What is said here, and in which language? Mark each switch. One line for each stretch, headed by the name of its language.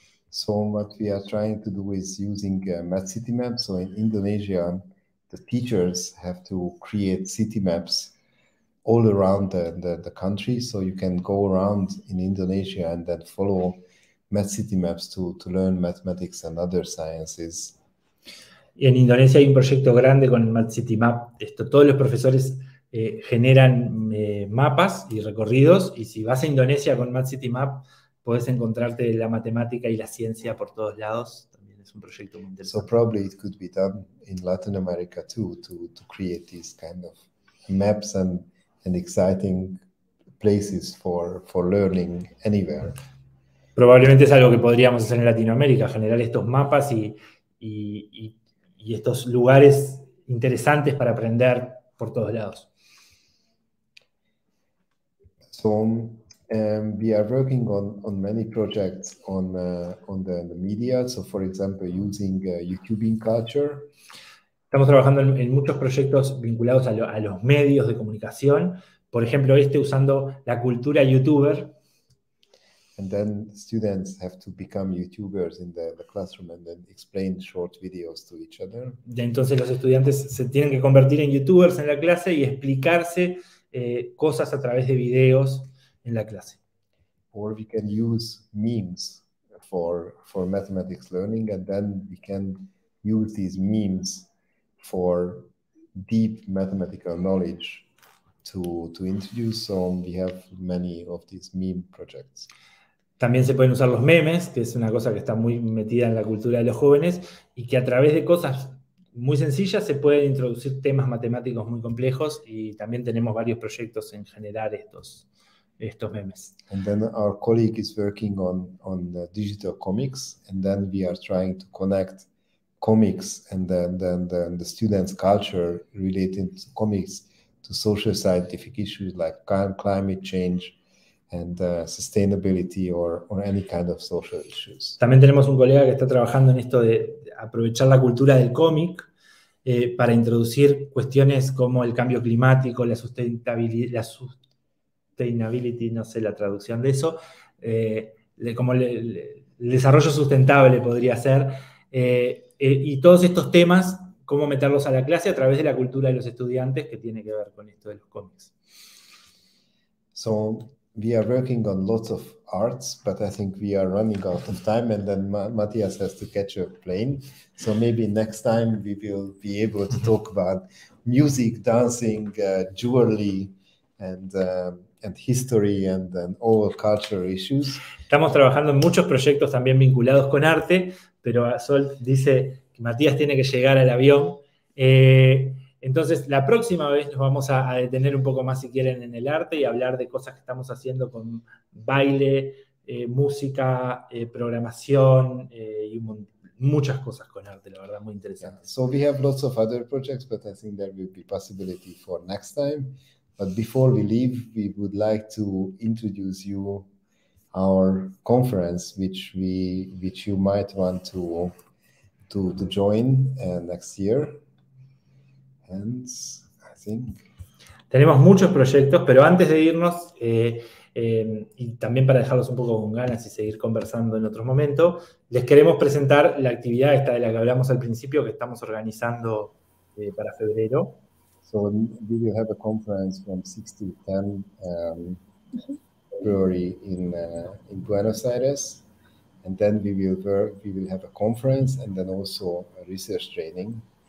English: So what we are trying to do is using math city maps. So in Indonesia, the teachers have to create city maps all around the country. So you can go around in Indonesia and then follow math city maps to learn mathematics and other sciences.
Spanish: Y en Indonesia hay un proyecto grande con Mat City Map. Todos los profesores generan mapas y recorridos, y si vas a Indonesia con Mat City Map, puedes encontrarte la matemática y la ciencia por todos lados. También es un proyecto muy interesante.
English: So probably it could be done in Latin America too to create these kind of maps and exciting places for learning anywhere.
Spanish: Probablemente es algo que podríamos hacer en Latinoamérica, generar estos mapas y estos lugares interesantes para aprender por todos lados.
English: So we are working on many projects on the media. So for example, using YouTubing culture.
Spanish: Estamos trabajando en muchos proyectos vinculados a los medios de comunicación. Por ejemplo, usando la cultura YouTuber.
English: And then students have to become YouTubers in the classroom and then explain short videos to each other.
Spanish: Entonces los estudiantes se tienen que convertir en YouTubers en la clase y explicarse cosas a través de videos en la clase.
English: Or we can use memes for mathematics learning, and then we can use these memes for deep mathematical knowledge to introduce. So we have many of these meme projects.
Spanish: También se pueden usar los memes, que es una cosa que está muy metida en la cultura de los jóvenes, y que a través de cosas muy sencillas se pueden introducir temas matemáticos muy complejos, y también tenemos varios proyectos en generar estos memes.
English: And then our colleague is working on the digital comics, and then we are trying to connect comics and then the students' culture related to comics to social scientific issues like climate change and sustainability or any kind of social issues.
Spanish: También tenemos un colega que está trabajando en esto de aprovechar la cultura del cómic para introducir cuestiones como el cambio climático, la sustentabilidad, la sustainability, no sé la traducción de eso, el desarrollo sustentable podría ser, y todos estos temas, cómo meterlos a la clase a través de la cultura de los estudiantes que tiene que ver con esto de los cómics.
English: So, we are working on lots of arts, but I think we are running out of time, and then Matthias has to catch a plane. So maybe next time we will be able to talk about music, dancing, jewelry, and history, and all cultural issues.
Spanish: Estamos trabajando en muchos proyectos también vinculados con arte, pero Sol dice que Matías tiene que llegar al avión. Entonces, la próxima vez nos vamos a detener un poco más, si quieren, en el arte y hablar de cosas que estamos haciendo con baile, música, programación y muchas cosas con arte, la verdad, muy interesante.
English: Yeah. So we have lots of other projects, but I think there will be possibility for next time. But before we leave, we would like to introduce you our conference, which you might want to join next year. I think.
Spanish: Tenemos muchos proyectos, pero antes de irnos, y también para dejarlos un poco con ganas y seguir conversando en otro momento, les queremos presentar la actividad esta de la que hablamos al principio, que estamos organizando para febrero.
English: So, we will have a conference from 6 to 10 February in Buenos Aires, and then we will have a conference and then also a research training.